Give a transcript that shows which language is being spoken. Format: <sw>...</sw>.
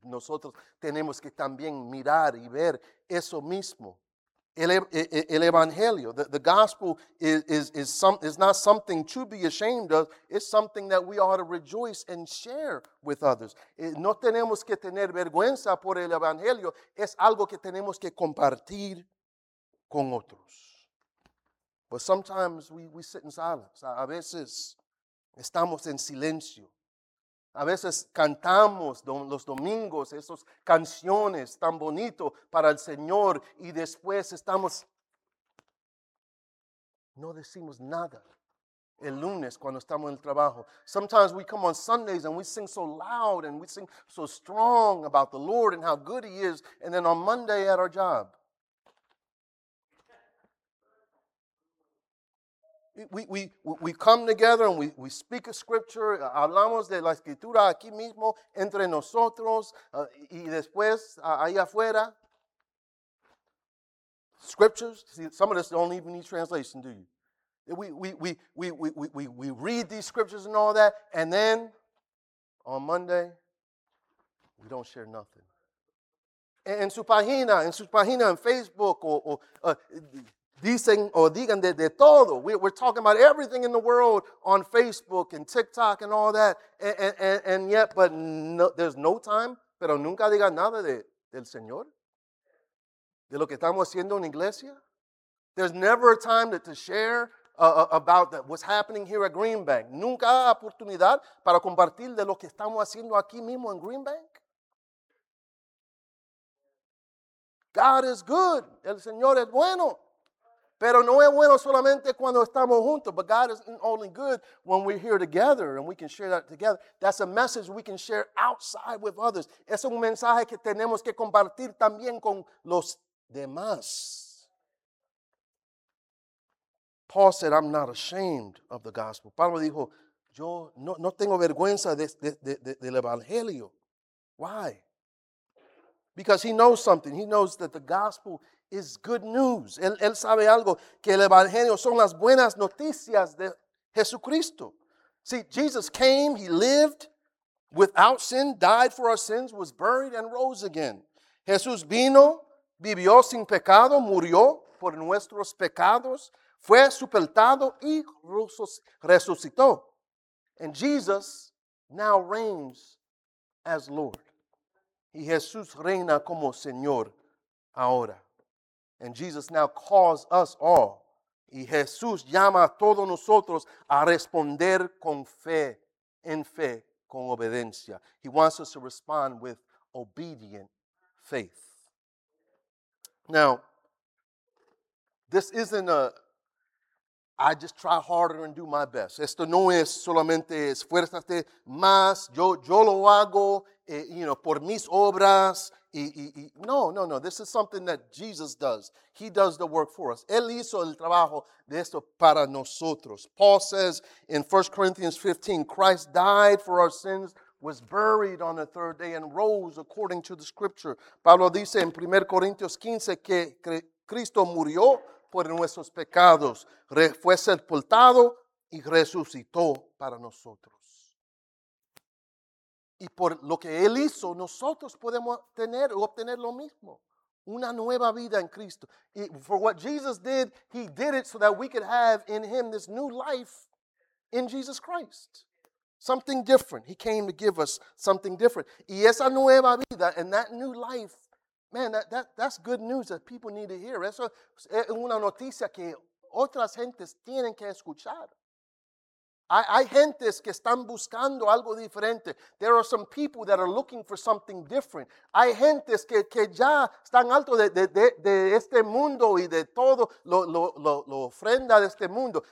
<es>Nosotros tenemos que también mirar y ver eso mismo.</es> <en>El Evangelio, the gospel is not something to be ashamed of. It's something that we ought to rejoice and share with others.</en> <es>No tenemos que tener vergüenza por el Evangelio. Es algo que tenemos que compartir con otros.</es> <en>But sometimes we sit in silence.</en> <es>A veces estamos en silencio. A veces cantamos los domingos esas canciones tan bonitas para el Señor y después estamos, no decimos nada el lunes cuando estamos en el trabajo.</es> <en>Sometimes we come on Sundays and we sing so loud and we sing so strong about the Lord and how good He is, and then on Monday at our job. We come together and we speak a scripture,</en> <es>hablamos de la escritura aquí mismo, entre nosotros, y después, ahí afuera.</es> <en>Scriptures, see, some of us don't even need translation, do you? We read these scriptures and all that, and then on Monday, we don't share nothing.</en> <es>En su página, en Facebook, dicen o digan de todo.</es> <en>We're talking about everything in the world on Facebook and TikTok and all that. There's no time,</en> <es>pero nunca digan nada del Señor, de lo que estamos haciendo en iglesia.</es> <en>There's never a time to share about what's happening here at Green Bank.</en> <es>Nunca oportunidad para compartir de lo que estamos haciendo aquí mismo en Green Bank.</es> <en>God is good.</en> <es>El Señor es bueno. Pero no es bueno solamente cuando estamos juntos.</es> <en>But God is only good when we're here together and we can share that together. That's a message we can share outside with others.</en> <es>Es un mensaje que tenemos que compartir también con los demás.</es> <en>Paul said, I'm not ashamed of the gospel.</en> <es>Pablo dijo, yo no tengo vergüenza del evangelio.</es> <en>Why? Because he knows something. He knows that the gospel is good news.</en> <es>Él sabe algo, que el evangelio son las buenas noticias de Jesucristo.</es> <en>See, Jesus came, he lived without sin, died for our sins, was buried, and rose again.</en> <es>Jesús vino, vivió sin pecado, murió por nuestros pecados, fue sepultado y resucitó.</es> <en>And Jesus now reigns as Lord.</en> <es>Y Jesús reina como Señor ahora.</es> <en>And Jesus now calls us all.</en> <es>Y Jesús llama a todos nosotros a responder con fe, en fe, con obediencia.</es> <en>He wants us to respond with obedient faith. Now, this isn't I just try harder and do my best.</en> <es>Esto no es solamente esfuérzate más. Yo lo hago, por mis obras. No.</es> <en>This is something that Jesus does. He does the work for us.</en> <es>Él hizo el trabajo de esto para nosotros.</es> <en>Paul says in 1 Corinthians 15, Christ died for our sins, was buried on the third day, and rose according to the scripture.</en> <es>Pablo dice en 1 Corinthians 15 que Cristo murió por nuestros pecados, fue sepultado y resucitó para nosotros. Y por lo que Él hizo, nosotros podemos tener o obtener lo mismo, una nueva vida en Cristo.</es> <en>For what Jesus did, He did it so that we could have in Him this new life in Jesus Christ. Something different. He came to give us something different.</en> <es>Y esa nueva vida</es> <en>and that new life, man, that's good news that people need to hear.</en> <es>Eso es una noticia que otras gentes tienen que escuchar. Hay gentes que están buscando algo diferente.</es> <en>There are some people that are looking for something different.</en> <es>Hay gentes que ya están alto de este mundo y de todo lo ofrenda de este mundo.</es>